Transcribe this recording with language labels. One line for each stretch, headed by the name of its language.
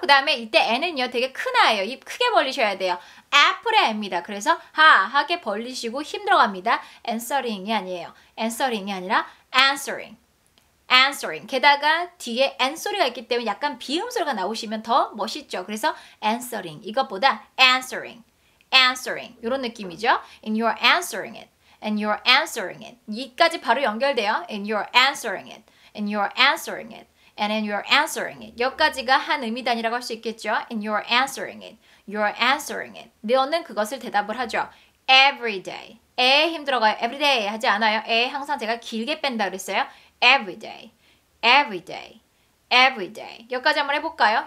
Korean: 그 다음에 이때 N은요 되게 큰 아예요. 입 크게 벌리셔야 돼요. 애플의 N입니다. 그래서 하하게 벌리시고 힘들어갑니다. Answering이 아니에요. Answering이 아니라 answering, answering. 게다가 뒤에 n 소리가 있기 때문에 약간 비음 소리가 나오시면 더 멋있죠. 그래서 answering, 이것보다 answering, answering 이런 느낌이죠.
English: And you're answering it, and you're answering it.
Korean: 이까지 바로 연결돼요.
English: And you're answering it, and you're answering it, and then you're answering it.
Korean: 여기까지가 한 음이 단위라고 할 수 있겠죠.
English: And you're answering it, you're answering it.
Korean: 너는 그것을 대답을 하죠. Every day. 에 힘들어가요. Everyday 하지 않아요. 에 항상 제가 길게 뺀다 그랬어요.
English: Everyday. Everyday. Everyday.
Korean: 여기까지 한번 해볼까요?